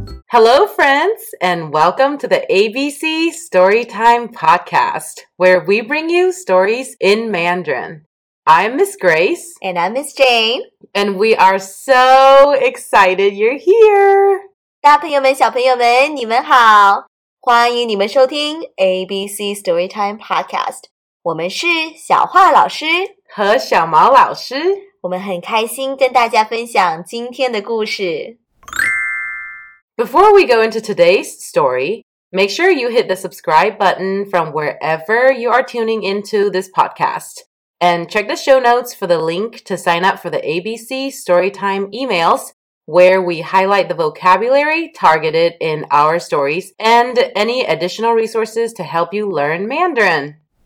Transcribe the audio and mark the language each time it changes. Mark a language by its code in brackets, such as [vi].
[en] Hello, friends, and welcome to the ABC Storytime Podcast, where we bring you stories in Mandarin. I'm Miss Grace. And I'm Miss Jane. And we are so excited you're here. [zh] 大朋友们小朋友们你们好。欢迎你们收听 ABC Storytime Podcast. 我们是小华老师和小毛老师。我们很开心跟大家分享今天的故事。 [en] Before we go into today's story, make sure you hit the subscribe button from wherever you are tuning into this podcast. And check the show notes for the link to sign up for the ABC Storytime emails, where we highlight the vocabulary targeted in our stories and any additional resources to help you learn Mandarin.